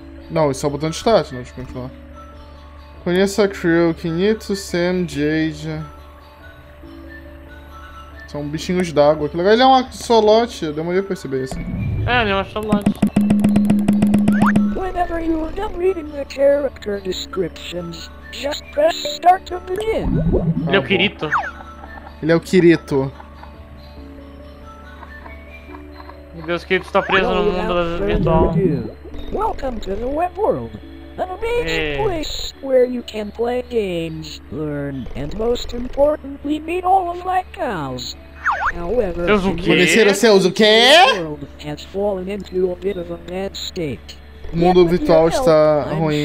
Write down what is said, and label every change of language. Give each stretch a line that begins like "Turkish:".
Portuguese: Não, isso é o botão de start, não, de continuar. Conheça a crew, Kinito, Sam, Jade. São bichinhos d'água. Que legal. Ele é um axolote, eu demorei pra perceber isso. É, ele é um axolote.
English: Whenever you are done reading the character descriptions, just press start to begin.
Portuguese: Ele é o Kirito. Ele é o Kirito. Meu Deus, o Kirito está preso no mundo virtual.
English: Welcome to the web world. An amazing place where you can play games, learn, and most importantly, meet all of my cows. However,
Portuguese: conhecer os seus o quê?
English: The world has fallen into a bit of a bad state.
Portuguese: O mundo virtual está ruim.